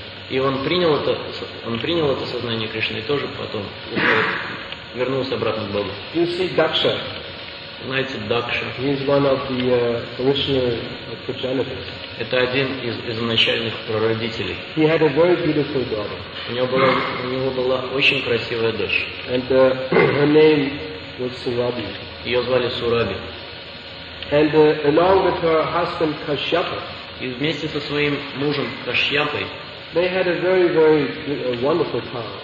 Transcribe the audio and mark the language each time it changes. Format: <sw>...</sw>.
<ru>И он принял это сознание Кришны и тоже потом вернулся обратно к Богу.</ru> <en>You see Daksha.</en> <ru>Знаете, Дакша.</ru> <en>He is one of the original progenitors.</en> <ru>Это один из изначальных прародителей.</ru> <en>He had a very beautiful daughter.</en> <ru>У него была очень красивая дочь.</ru> <en>And her name was Surabhi.</en> <ru>Ее звали Сураби.</ru> <en>And along with her husband Kashyapa,</en> <ru>и вместе со своим мужем Кашьяпой,</ru> <en>they had a very, very wonderful cow.</en>